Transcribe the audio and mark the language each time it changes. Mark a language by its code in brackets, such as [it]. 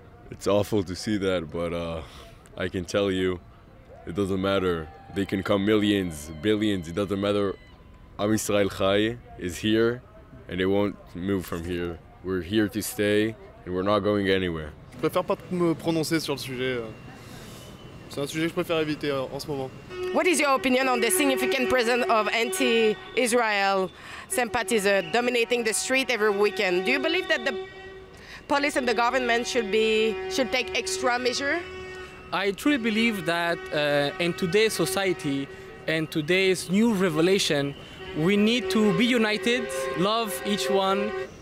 [en] It's awful to see that, but I can tell you, it doesn't matter. They can come millions, billions, it doesn't matter. Am Yisrael Chai is here, and they won't move from here. We're here to stay, and we're not going anywhere. [fr] Je préfère pas me prononcer sur le sujet. C'est un sujet que je préfère éviter en ce moment. [en] What is your opinion on the significant presence of anti-Israel sympathizers dominating the street every weekend? Do you believe that the police and the government should take extra measure? I truly believe that in today's society and today's new revelation, we need to be united, love each one.